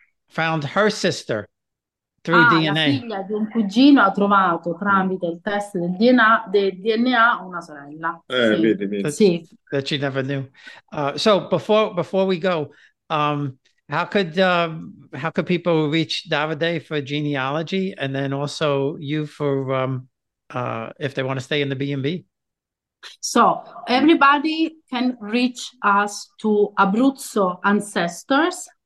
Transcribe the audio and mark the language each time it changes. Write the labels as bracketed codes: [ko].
[en] found her sister through [it] Ah, la [en] DNA. [it] figlia di un cugino ha trovato tramite il test del DNA una sorella. Sì, [en] That [it] sì. [en] she never knew. So before we go, how could people reach Davide for genealogy, and then also you for if they want to stay in the B&B? So, everybody can reach us to Abruzzo Ancestors.